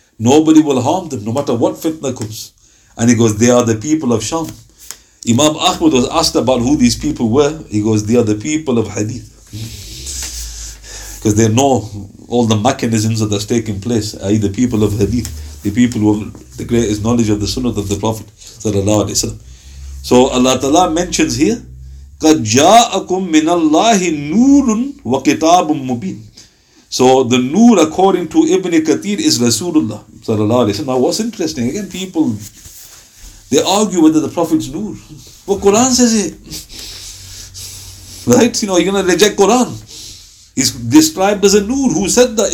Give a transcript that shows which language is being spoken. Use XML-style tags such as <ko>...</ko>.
<en>Nobody will harm them, no matter what fitna comes. And he goes, they are the people of Sham. Imam Ahmed was asked about who these people were. He goes, they are the people of hadith. Because they know all the mechanisms that are taking place, i.e. the people of hadith, the people who have the greatest knowledge of the sunnah of the Prophet sallallahu alayhi wa sallam. So Allah Ta'ala mentions here,</en> <ar>قَدْ جَاءَكُمْ مِنَ اللَّهِ نُورٌ وَكِتَابٌ مُبِينٌ.</ar> <en>So the Noor, according to Ibn Kathir, is Rasulullah sallallahu alayhi wa sallam. Now what's interesting, again, people, they argue whether the Prophet's Noor. Well, Quran says it. Right? You know, you're going to reject Quran. He's described as a Noor. Who said that?</en>